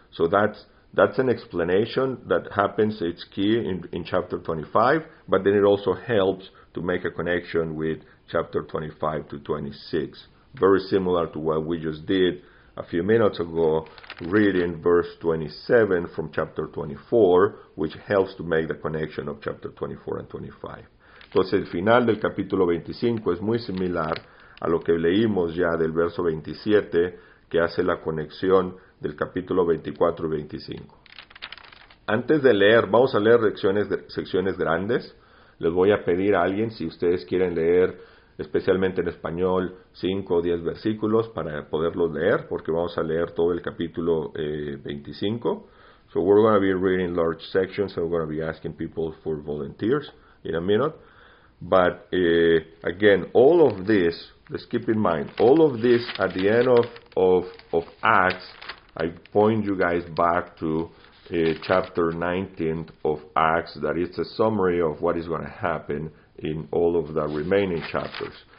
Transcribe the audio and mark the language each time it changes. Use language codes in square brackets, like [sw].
[en] So that's an explanation that happens. It's key in chapter 25, but then it also helps to make a connection with chapter 25 to 26. Very similar to what we just did a few minutes ago, reading verse 27 from chapter 24, which helps to make the connection of chapter 24 and 25. [es] Entonces, el final del capítulo 25 es muy similar a lo que leímos ya del verso 27, que hace la conexión del capítulo 24 y 25. Antes de leer, vamos a leer secciones grandes. Les voy a pedir a alguien, si ustedes quieren leer, especialmente en español, 5 o 10 versículos para poderlos leer, porque vamos a leer todo el capítulo 25. [en] So we're going to be reading large sections, and we're going to be asking people for volunteers in a minute. But again, all of this, just keep in mind, all of this at the end of Acts, I point you guys back to chapter 19 of Acts, that is a summary of what is going to happen in all of the remaining chapters.